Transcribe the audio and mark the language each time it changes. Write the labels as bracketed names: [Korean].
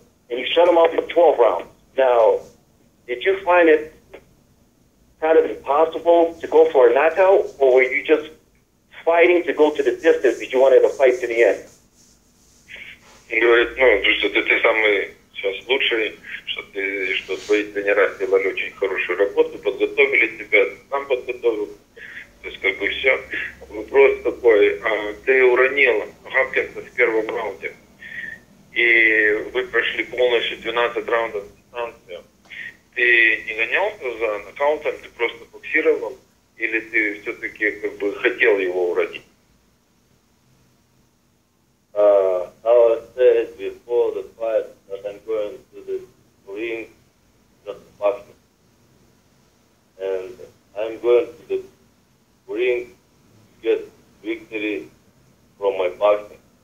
[English] And you shut him off for 12 rounds. Now, did you find it kind of impossible to go for a knockout, or were you just fighting to go to the distance because you wanted to fight to the end? [Russian] Говорит, ну, что ты самый сейчас лучший, что твои тренера сделали очень хорошую работу, подготовили тебя, сам подготовил, то есть как бы все. Вопрос такой, ты уронил Хопкинса в первом раунде, и вы прошли полностью 12 раундов дистанции. Ты не гонялся за нокаутом, ты просто боксировал, или ты все-таки как бы хотел его уронить? [English] How I said before the fight that I'm going to the ring just to box him. And I'm going to the ring to get victory from my boxing.